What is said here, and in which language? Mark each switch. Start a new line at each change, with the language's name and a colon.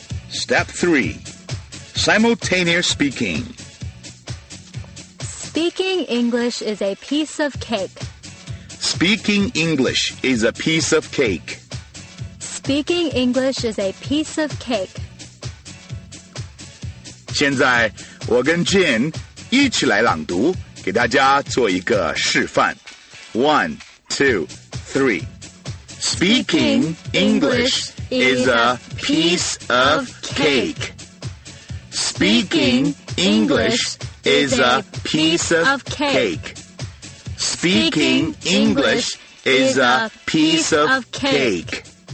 English: Step three, simultaneous speaking. Speaking English is a piece of cake. Speaking English is a piece of cake. Speaking English is a piece of cake.
Chinese: 现在我跟 Jin 一起来朗读，给大家做一个示范。
English: One, two, three. Speaking English is a piece of cake. Speaking English is a piece of cake. Speaking English is a piece of cake.